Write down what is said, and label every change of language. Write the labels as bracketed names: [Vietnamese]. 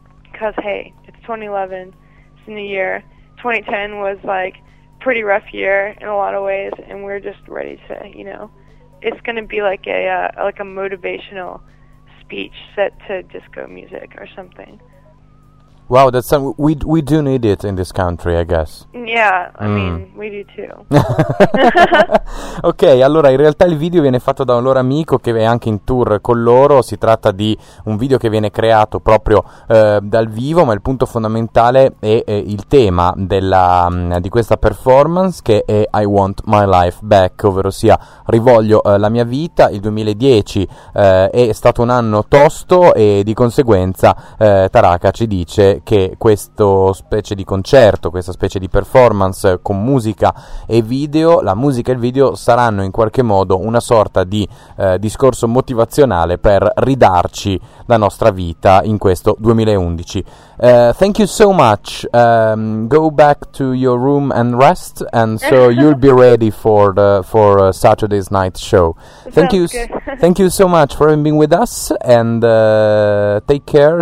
[English] Because, hey, it's 2011. It's a new year. 2010 was like pretty rough year in a lot of ways. And we're just ready to, you know, it's going to be like a motivational speech set to disco music or something. Wow, that's we do need it in this country, I guess. Yeah, I mean, we do too. [Italian] Ok, allora, in realtà il video viene fatto da un loro amico che è anche in tour con loro. Si tratta di un video che viene creato proprio dal vivo, ma il punto fondamentale è il tema di questa performance, che è I Want My Life Back, ovvero sia rivoglio la mia vita. Il 2010 è stato un anno tosto e di conseguenza Taraka ci dice che questo specie di concerto, questa specie di performance con musica e video, la musica e il video saranno in qualche modo una sorta di discorso motivazionale per ridarci la nostra vita in questo 2011. [English] Thank you so much. Go back to your room and rest, and so you'll be ready for Saturday's night show. Thank you so much for being with us, and take care.